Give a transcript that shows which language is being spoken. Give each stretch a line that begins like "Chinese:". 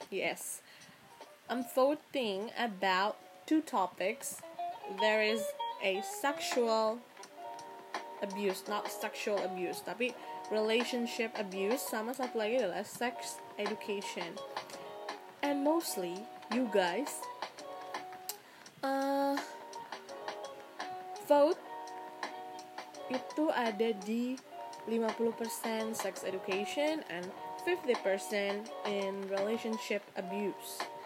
English: Yes, I'm voting about 2 topics. There is a sexual abuse, not sexual abuse, tapi relationship abuse.
Indonesian: Sama satu lagi adalah sex education.
English: And mostly, you guys vote
Indonesian: itu ada di
English: 50% sex education and 50% in relationship abuse.